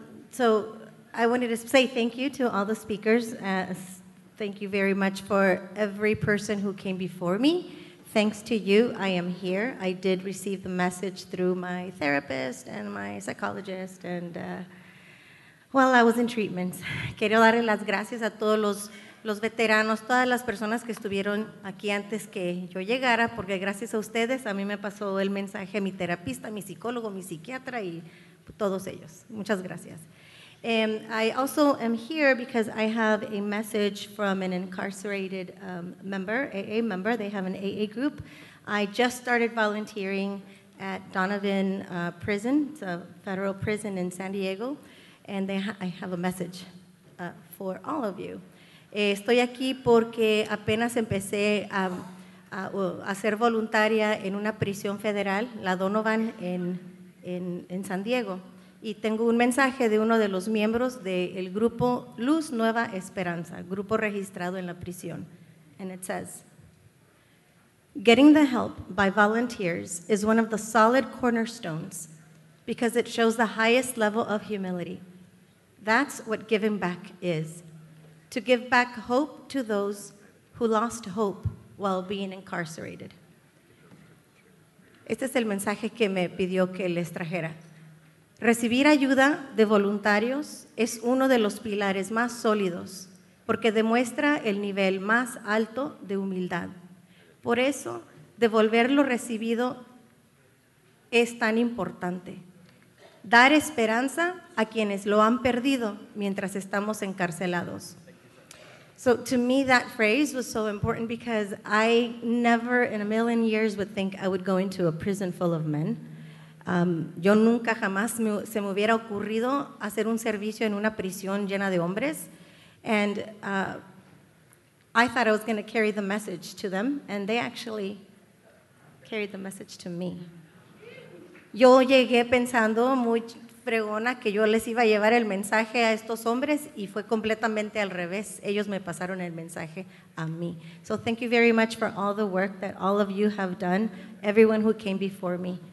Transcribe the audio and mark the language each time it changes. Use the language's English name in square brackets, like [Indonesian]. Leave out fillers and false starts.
[English] So I wanted to say thank you to all the speakers. Thank you very much for every person who came before me. Thanks to you, I am here. I did receive the message through my therapist and my psychologist and... Well, I was in treatments. [Spanish] Quiero darle las gracias a todos los veteranos, todas las personas que estuvieron aquí antes que yo llegara, porque gracias a ustedes a mí me pasó el mensaje a mi terapista, mi psicólogo, mi psiquiatra y todos ellos. Muchas gracias. [English] I also am here because I have a message from an incarcerated member, AA member. They have an AA group. I just started volunteering at Donovan Prison. It's a federal prison in San Diego. And they I have a message for all of you. [Spanish] Estoy aquí porque apenas empecé a ser voluntaria en una prisión federal, la Donovan, en San Diego. Y tengo un mensaje de uno de los miembros del grupo Luz Nueva Esperanza, grupo registrado en la prisión. [English] And it says, getting the help by volunteers is one of the solid cornerstones because it shows the highest level of humility. That's what giving back is, to give back hope to those who lost hope while being incarcerated. [Spanish] Este es el mensaje que me pidió que les trajera. Recibir ayuda de voluntarios es uno de los pilares más sólidos porque demuestra el nivel más alto de humildad. Por eso, devolver lo recibido es tan importante. Dar esperanza a quienes lo han perdido mientras estamos encarcelados. [English] So to me, that phrase was so important because I never in a million years would think I would go into a prison full of men. [Spanish] Yo nunca jamás se me hubiera ocurrido hacer un servicio en una prisión llena de hombres. [English] And I thought I was going to carry the message to them, and they actually carried the message to me. [Spanish] Yo llegué pensando muy fregona que yo les iba a llevar el mensaje a estos hombres, y fue completamente al revés. Ellos me pasaron el mensaje a mí. [English] So thank you very much for all the work that all of you have done, everyone who came before me.